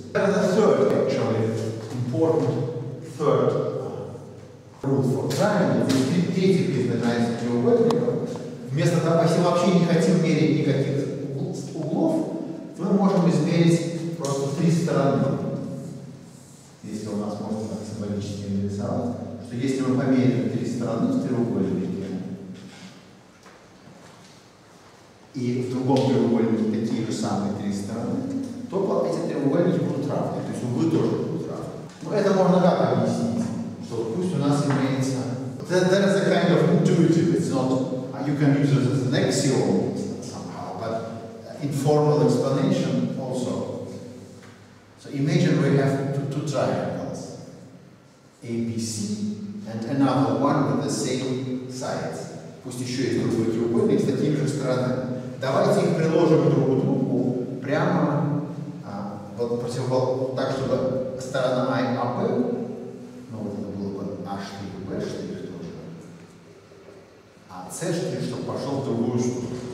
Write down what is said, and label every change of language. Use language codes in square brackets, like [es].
[en] And the third, actually, important third rule for time. [ru] Дети, знаете, его вовремя. Вместо того, если вообще не хотим мерить никаких углов, мы можем измерить просто три стороны. Если у нас можно символически нарисовать, что если мы померяем три стороны в треугольнике, и в другом треугольнике такие же самые три стороны, то эти треугольники будут равны, то есть углы тоже будут равны. Но это можно как объяснить, что пусть у нас имеется... [en] That is a kind of intuitive, it's not... You can use it as an axiom somehow, but informal explanation also. So imagine we have two triangles, ABC, and another one with the same sides. [ru] Пусть еще есть другой треугольник с такими же сторонами. Давайте их приложим друг к другу прямо вот против, так, чтобы сторона А и АП, ну вот это было бы H и B штрих тоже, а C штрих, чтобы пошел в другую сторону.